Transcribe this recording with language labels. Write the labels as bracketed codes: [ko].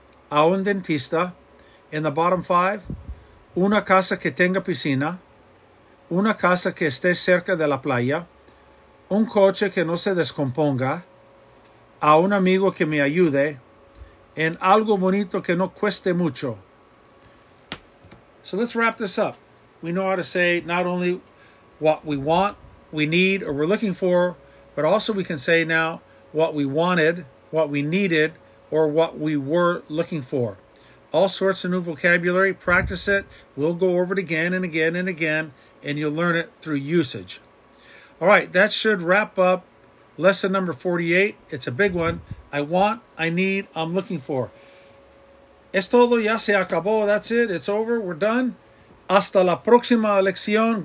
[es] a un dentista. [en] In the bottom five, [es] una casa que tenga piscina, una casa que esté cerca de la playa, un coche que no se descomponga, a un amigo que me ayude, en algo bonito que no cueste mucho. [en] So let's wrap this up. We know how to say not only what we want, we need, or we're looking for, but also we can say now what we wanted, what we needed, or what we were looking for. All sorts of new vocabulary. Practice it. We'll go over it again and again and again, and you'll learn it through usage. All right, that should wrap up lesson number 48. It's a big one. I want, I need, I'm looking for. [es] Es todo, ya se acabó. [en] That's it. It's over. We're done. [es] Hasta la próxima lección.